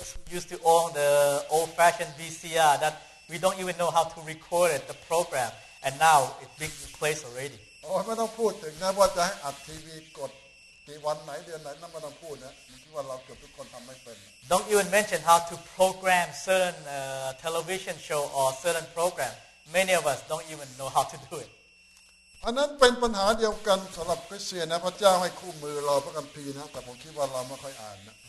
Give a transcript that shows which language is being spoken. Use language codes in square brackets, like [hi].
[en] used to own the old fashioned VCR that we don't even know how to record it the programAnd now it's been replaced already. [th] Oh, ไม่ต้องพูดถึงนะว่าจะให้อัดทีวีกดกี่วันไหนเดือนไหนนั่นไม่ต้องพูดนะคิดว่าเราเกือบทุกคนทำไม่เป็น [en] Don't even mention how to program certain television show or certain program. Many of us don't even know how to do it. [th] อันนั้นเป็นปัญหาเดียวกันสำหรับคริสเตียนนะพระเจ้าให้คู่มือเราพระคัมภีร์นะแต่ผมคิดว่าเราไม่ค่อยอ่านนะ